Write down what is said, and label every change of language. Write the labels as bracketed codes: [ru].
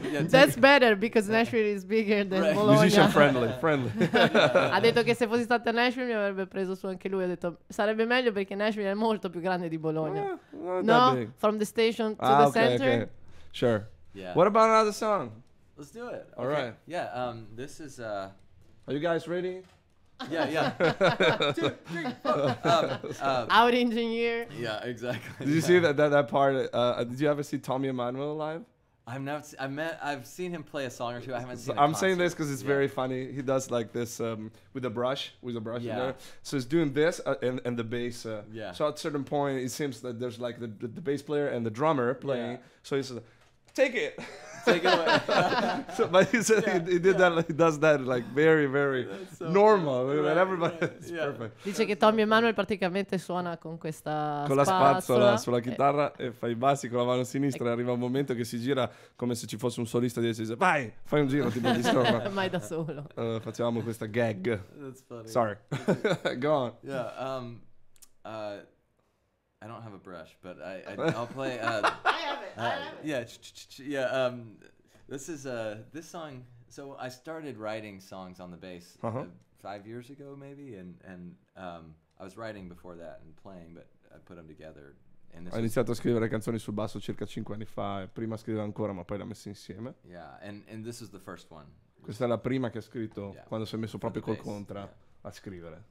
[en] That's better because Nashville is bigger than Bologna. Musician friendly, friendly. [it] Ha detto che se fossi stato a Nashville mi avrebbe preso su anche lui. Ha detto sarebbe meglio perché Nashville è molto più grande di Bologna. [en] No, from the station to the center. Okay. Sure. Yeah. What about another song? Let's do it. All right. Yeah. This is. Are you guys ready? Yeah. Two, three, four. Out engineer. Yeah. Exactly. Did you see that part? Did you ever see Tommy Emmanuel live? I've seen him play a song or two. I haven't seen. I'm saying this because it's very funny. He does like this with a brush. Yeah. There. So he's doing this and the bass. So at a certain point, it seems that there's like the bass player and the drummer playing. Yeah. So he's like, take it. Take it away. So, but he said he does that like very, very so normal. Right, everybody, it's perfect. [it] Dice che Tommy Emmanuel praticamente suona con questa con la spazzola sulla chitarra e fa i bassi con la mano sinistra. E arriva un momento che si gira come se ci fosse un solista dietro. Dice, vai, fai un giro, tipo di strofa. Mai da solo. Facciamo questa gag. [en] That's funny. Sorry. Go on. Yeah. I don't have a brush, but I'll play. I have it. This is this song. So I started writing songs on the bass 5 years ago, maybe, and I was writing before that and playing, but I put them together. [it] Ho iniziato a scrivere canzoni sul basso circa 5 anni fa. Prima scrivevo ancora, ma poi l'ho messo insieme. [en] Yeah, and this is the first one. [it] Questa è la prima che ha scritto quando si è messo proprio col contra a scrivere.